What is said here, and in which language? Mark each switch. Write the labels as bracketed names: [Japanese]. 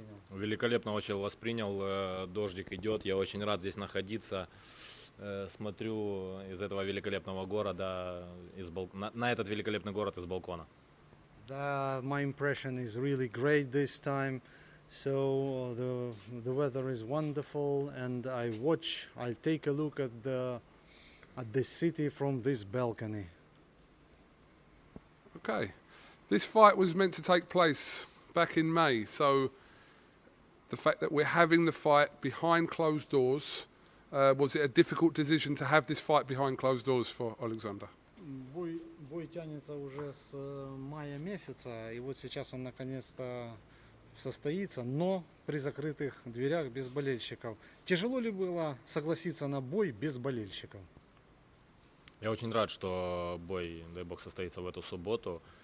[Russian] Великолепно очень воспринял. Дождик идет. Я очень рад здесь находиться. Смотрю из этого великолепного города, на этот великолепный город из балкона. [English] My impression is really great this time. So the weather is wonderful, and I'll take a look at the city from this balcony. Okay, this fight was meant to take place back in May. So the fact that we're having the fight behind closed doors, was it a difficult decision to have this fight behind closed doors for Alexander? [Russian] Бой тянется уже с мая месяца, и вот сейчас он наконец-то состоится, но при закрытых дверях без болельщиков. Тяжело ли было согласиться на бой без болельщиков? Я очень рад, что бой, дай бог, состоится в эту субботу.